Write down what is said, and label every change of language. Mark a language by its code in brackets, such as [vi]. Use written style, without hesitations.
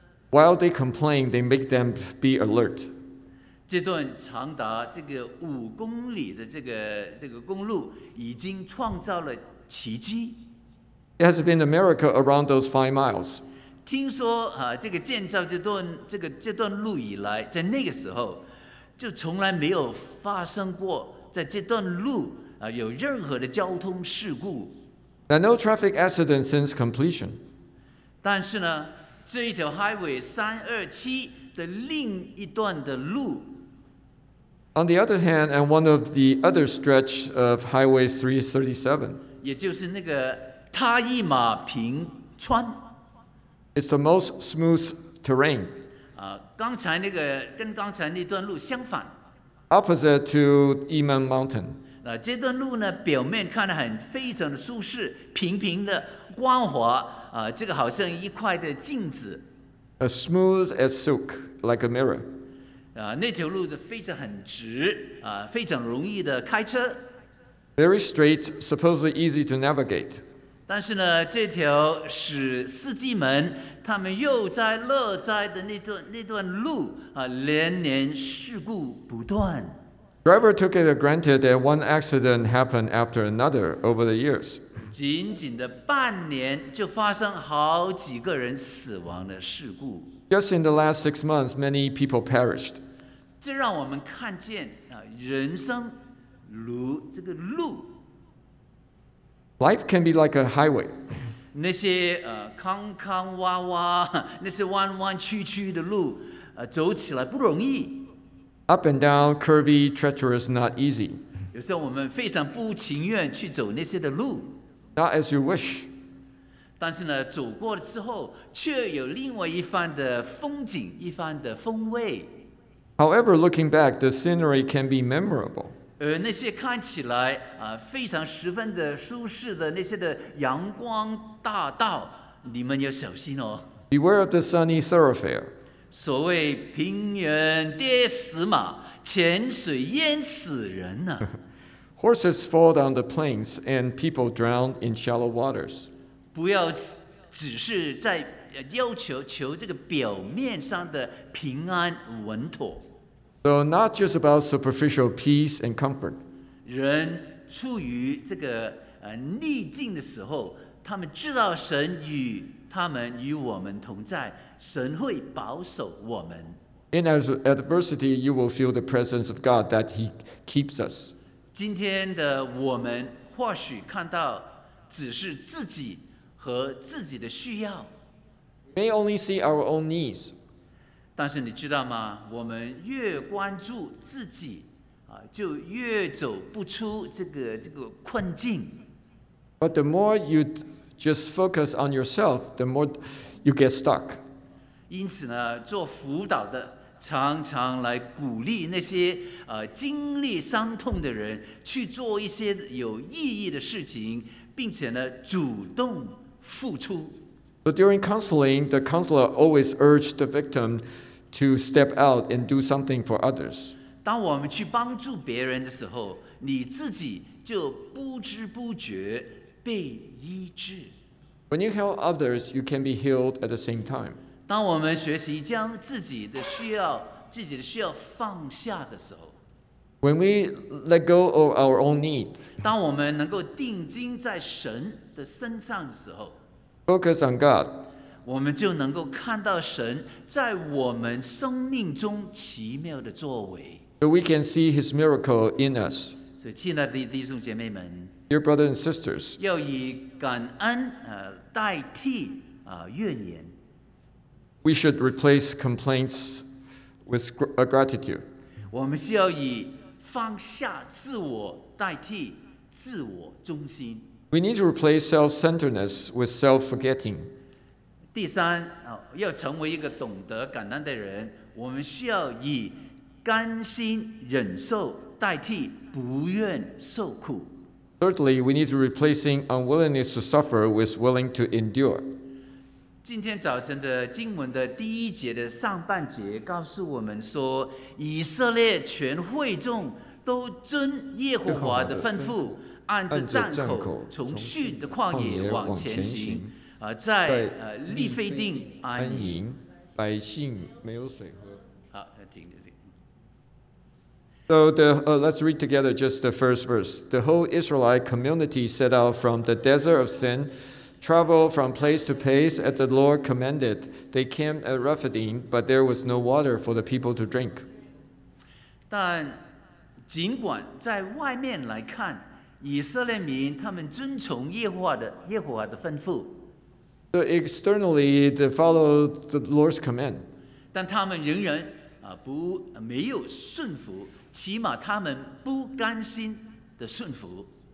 [en] While they complain, they make them be alert. [zh] 这段长达五公里的这个公路已经创造了奇迹。 [en] It has been a miracle around those 5 miles. [zh] 听说建造这段路以来，在那个时候，就从来没有发生过在这段路有任何的交通事故。 [en] Now, no traffic accident since completion. [zh] 但是呢，这一条 Highway 327的另一段的路。 [en] On the other hand, and one of the other stretch of Highway 337. [zh] 也就是那个塔伊马平川。 [en] It's the most smooth terrain. [zh] 刚才那个跟刚才那段路相反。 [en] Opposite to Iman Mountain. [zh] 这段路呢，表面看得很非常的舒适，平平的，光滑，这个好像一块的镜子。 [en] As smooth as silk, like a mirror. [zh] 那条路的非常很直，非常容易的开车。 [en] Very straight, supposedly easy to navigate. [zh] 但是呢，这条使司机们他们悠哉乐哉的那段路连年事故不断。 [en] Driver took it granted that one accident happened after another over the years. [zh] 仅仅的半年就发生好几个人死亡的事故。 [en] Just in the last 6 months, many people perished. [zh] 这让我们看见人生如这个路。 [en] Life can be like a highway. [zh] 那些坑坑洼洼，那些弯弯曲曲的路，走起来不容易。 [en] Up and down, curvy, treacherous, not easy. [zh] 有时候我们非常不情愿去走那些的路。 [en] Not as you wish. [zh] 但是呢，走过了之后，却有另外一番的风景，一番的风味。 [en] However, looking back, the scenery can be memorable. [zh] 而那些看起来非常十分的舒适的那些的阳光大道，你们要小心哦。 [en] Beware of the sunny thoroughfare. [zh] 所谓平原跌死马，潜水淹死人呢。 [en] Horses fall down the plains, and people drown in shallow waters. [zh] 不要只是在要求求这个表面上的平安稳妥。 [en] So not just about superficial peace and comfort. [zh] 人处于这个逆境的时候，他们知道神与他们与我们同在。神会保守我们。 [en] In adversity, you will feel the presence of God that He keeps us. [zh] 今天的我们或许看到只是自己和自己的需要。 [en] May only see our own needs. [zh] 但是你知道吗？我们越关注自己，就越走不出这个困境。 [en] But the more you just focus on yourself, the more you get stuck. [zh] 因此呢，做辅导的常常来鼓励那些经历伤痛的人去做一些有意义的事情，并且呢主动付出。 [en] So during counseling, the counselor always urged the victim to step out and do something for others. [zh] 当我们去帮助别人的时候，你自己就不知不觉被医治。 [en] When you help others, you can be healed at the same time. [zh] 当我们学习将自己的需要放下的时候 [en] ，When we let go of our own need， [zh] 当我们能够定睛在神的身上的时候 [en] ，Focus on God， [zh] 我们就能够看到神在我们生命中奇妙的作为。 [en] So we can see His miracle in us。 [zh] 所以，亲爱的弟兄姐妹们 [en] ，Dear brothers and sisters， [zh] 要以感恩代替怨言。 [en] We should replace complaints with gratitude. [zh] 我们需要以放下自我代替自我中心。 [en] We need to replace self-centeredness with self-forgetting. [zh] 第三，要成为一个懂得感恩的人，我们需要以甘心忍受代替不愿受苦。 [en] Thirdly, we need to replace unwillingness to suffer with willing to endure. [zh] 今天早晨的经文的第一节的上半节告诉我们说，以色列全会众都遵耶和华的吩咐，按着战口从逊的旷野往前行，在利非定安营，百姓没有水喝。好，停。 [en] So let's read together just the first verse. The whole Israelite community set out from the desert of Sin. Travel from place to place as the Lord commanded. They came at Rephidim, but there was no water for the people to drink. [zh] 但尽管在外面来看，以色列民他们遵从耶和华的吩咐。 [en] So externally, they follow the Lord's command. [zh] 但他们仍然不没有顺服，起码他们不甘心的顺服。